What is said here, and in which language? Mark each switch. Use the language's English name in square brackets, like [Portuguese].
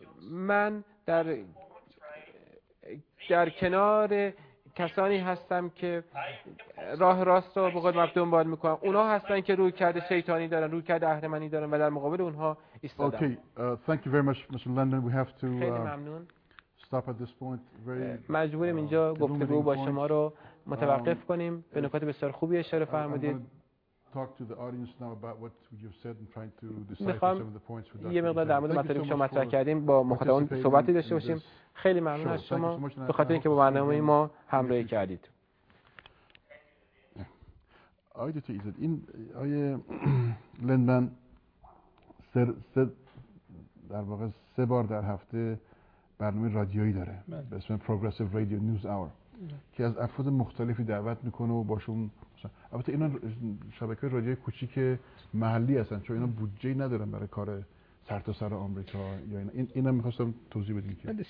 [Persian] من در کنار کسانی هستم که راه راست رو به قول معروف دنبال میکنم. اونا هستن که روی کرده شیطانی دارن، روی کرده اهریمنی دارن و در مقابل اونها ایستادم. [English] Okay, thank you very much Mr. Lennon. We have to stop at this point. [Persian] مجبوریم اینجا گفتگو با شما رو متوقف کنیم. به نکات بسیار خوبی اشاره فرمودید. [English] Talk to the audience now about what you've said and trying to decipher some of the points with Dr. [Persian] یه مقدار در مورد مطالبی که شما مطرح کردیم با مخاطبان صحبتی داشته باشیم. خیلی ممنون از شما به خاطر اینکه با برنامه ما همراهی کردید. آقای دکتر ایزد، این آقای لندمن در واقع سه بار در هفته برنامه رادیویی داره به اسم Progressive Radio News Hour که از افراد مختلفی دعوت میکنه و باشون البته اینا شبکه رادیوی کوچیک محلی هستن چون اینا بودجه ندارن برای کار سرتاسر آمریکا یا اینا میخواستم توضیح بدین که